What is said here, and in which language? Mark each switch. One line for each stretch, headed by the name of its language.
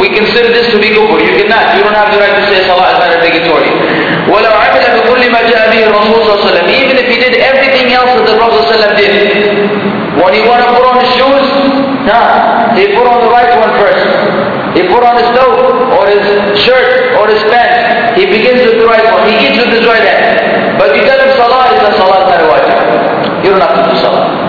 English: We consider this to be kufr. You cannot. You don't have the right to say salah is not obligatory.
Arabic: ولو عمل بكل ما جاء به الرسول صلى الله عليه وسلم.
English: Even if he did everything else that the Prophet صلى الله عليه وسلم did. When he wanted to put on his shoes, he put on the right one first. He put on his coat or his shirt or his pants. He begins with the right one. He eats with his right hand. But you tell him salah is not salah, not a wajib. You don't have to do salah.